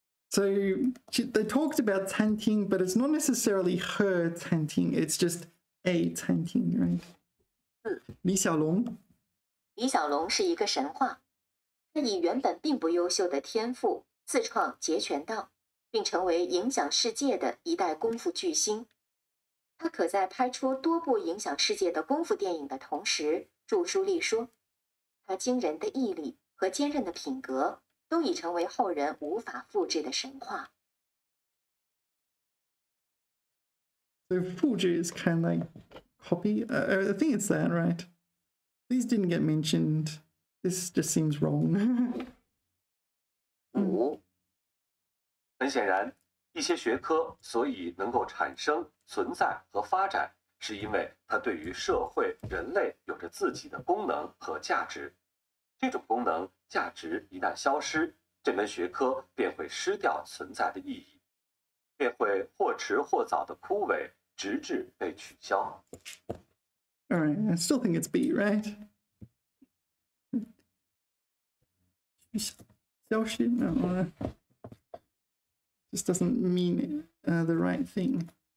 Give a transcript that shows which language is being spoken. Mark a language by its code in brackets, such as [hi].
[en] So they talked about 餐厅, but it's not necessarily her 餐厅, it's just a 餐厅, right? [zh] 李小龙. 李小龙是一个神话。他以原本并不优秀的天赋自创截拳道，并成为影响世界的一代功夫巨星。他可在拍出多部影响世界的功夫电影的同时著书立说。他惊人的毅力和坚韧的品格都已成为后人无法复制的神话。 [en] So, 复制 is kind of like copy. I think it's that, right? These didn't get mentioned. This just seems wrong. [zh] 五，很显然，一些学科所以能够产生、存在和发展，是因为它对于社会、人类有着自己的功能和价值。这种功能、价值一旦消失，这门学科便会失掉存在的意义，便会或迟或早的枯萎。 [en] All right, I still think it's B, right? 消失, no, just doesn't mean the right thing.